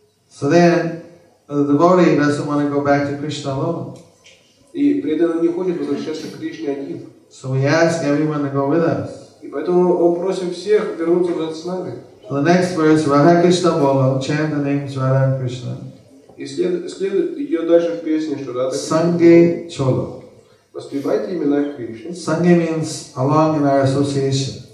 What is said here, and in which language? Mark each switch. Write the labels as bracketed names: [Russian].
[English] So then, the devotee doesn't want to go back to Krishna alone. [Russian] И преданный не хочет возвращаться к Кришне один. [English] So we ask everyone to go with us. [Russian] И поэтому он просит всех вернуться вот с нами. [English] So the next verse, [Bangla] Radha Krishna Bolo, [English] chant the names Radha and Krishna. [Russian] И следует идет дальше в песне, что Радха Кришна. [Bangla] Санге Чоло. [Russian] Воспевайте имена Кришны. [English] Санге means along in our association.